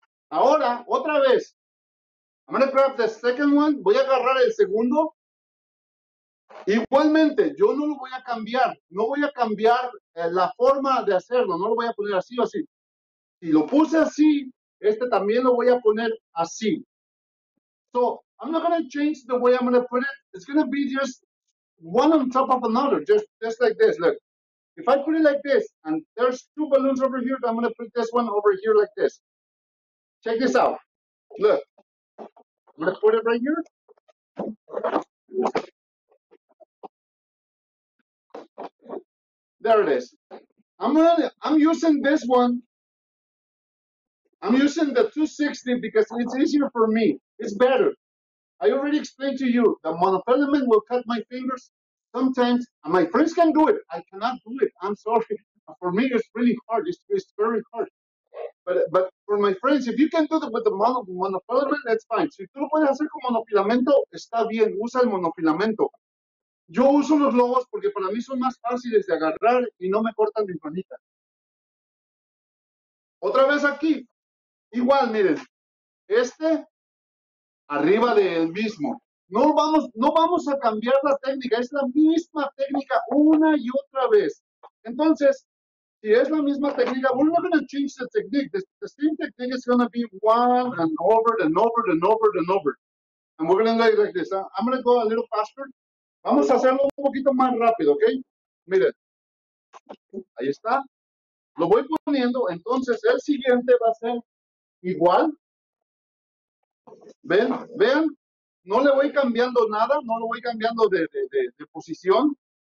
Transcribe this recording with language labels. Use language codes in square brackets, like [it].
[es] Ahora, otra vez. [en] I'm going to grab the second one. [es] Voy a agarrar el segundo. Igualmente, yo no lo voy a cambiar. No voy a cambiar la forma de hacerlo. No lo voy a poner así o así. Si lo puse así, este también lo voy a poner así. [en] So, I'm not going to change the way I'm going to put it. It's going to be just one on top of another. Just like this. Look, if I put it like this, and there's two balloons over here, I'm going to put this one over here like this. Check this out. Look. I'm going to put it right here. There it is. I'm using this one I'm using the 260 because it's easier for me. It's better. I already explained to you the monofilament will cut my fingers sometimes, and my friends can do it. I cannot do it. I'm sorry. For me, it's really hard. It's very hard. But for my friends, if you can do it with the monofilament, that's fine. [es] Si tú lo puedes hacer con monofilamento, está bien. Usa el monofilamento. Yo uso los globos porque para mí son más fáciles de agarrar y no me cortan mis manitas. Otra vez aquí. Igual, miren. Este, arriba del mismo. No vamos a cambiar la técnica. Es la misma técnica una y otra vez. Entonces, si es la misma técnica, [en] we're not going to change the technique. The same technique is going to be one and over and over and over and over. And we're going to do it like this. I'm going to go a little faster. [es] Vamos a hacerlo un poquito más rápido, ¿ok? Miren, ahí está. Lo voy poniendo, entonces el siguiente va a ser igual. ¿Ven? ¿Vean? No le voy cambiando nada, no lo voy cambiando de posición.